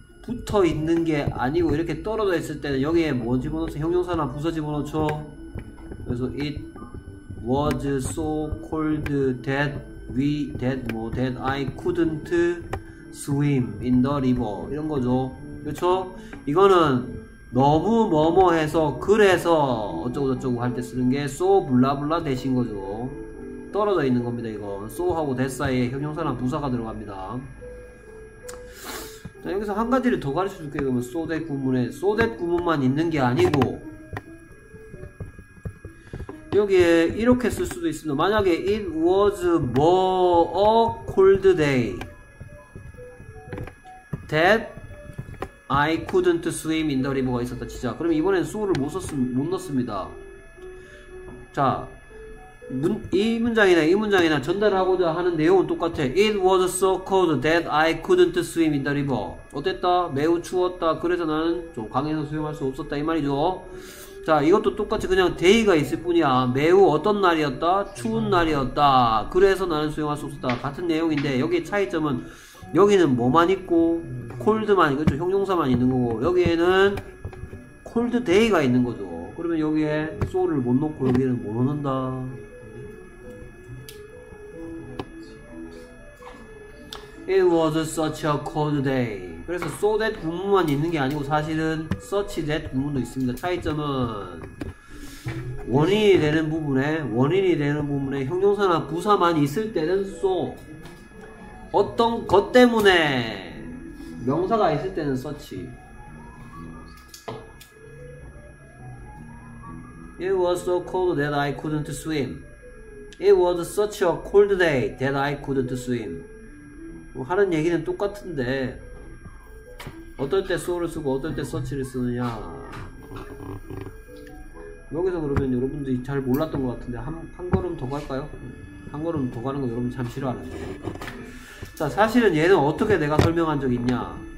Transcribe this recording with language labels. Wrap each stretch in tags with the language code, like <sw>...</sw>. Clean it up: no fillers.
<ko>붙어 있는 게 아니고 이렇게 떨어져 있을 때는 여기에 뭐 집어넣죠? 형용사나 부사 집어넣죠.</ko> <en>그래서 it was so cold that we that 뭐 that I couldn't swim in the river</en> <ko>이런 거죠. 그렇죠? 이거는 너무 뭐뭐해서 그래서 어쩌고 저쩌고 할 때 쓰는 게 so 블라블라 대신 거죠. 떨어져 있는 겁니다. 이거 so 하고 that 사이에 형용사나 부사가 들어갑니다. 자, 여기서 한 가지를 더 가르쳐 줄게요. 그러면 so that 구문에 so that 구문만 있는 게 아니고 여기에 이렇게 쓸 수도 있습니다. 만약에</ko> <en>it was more a cold day that I couldn't swim in the river</en> <ko>가 있었다 치자. 그럼 이번엔 so를 못 넣습니다. 자, 이 문장이나 이 문장이나 전달하고자 하는 내용은 똑같아.</ko> <en>It was so cold that I couldn't swim in the river.</en> <ko>어땠다? 매우 추웠다. 그래서 나는 좀 강에서 수영할 수 없었다 이 말이죠. 자, 이것도 똑같이 그냥 데이가 있을 뿐이야. 매우 어떤 날이었다? 추운 날이었다. 그래서 나는 수용할 수 없었다. 같은 내용인데 여기 차이점은 여기는 뭐만 있고 콜드만, 그렇죠, 형용사만 있는 거고 여기에는 콜드 데이가 있는 거죠. 그러면 여기에 소울을 못 넣고 여기는 못 넣는다.</ko> <en>'It was such a cold day.'</en> <ko>그래서 so that 구문만 있는 게 아니고 사실은 such that 구문도 있습니다. 차이점은 원인이 되는 부분에, 원인이 되는 부분에 형용사나 부사만 있을 때는 so, 어떤 것 때문에 명사가 있을 때는 such.</ko> <en>It was so cold that I couldn't swim. It was such a cold day that I couldn't swim.</en> <ko>하는 얘기는 똑같은데 어떨 때 소울을 쓰고 어떨 때 서치를 쓰느냐. 여기서 그러면 여러분들이 잘 몰랐던 것 같은데 한 걸음 더 갈까요? 한 걸음 더 가는 거 여러분 참 싫어하는데. 자, 사실은 얘는 어떻게 내가 설명한 적 있냐.</ko>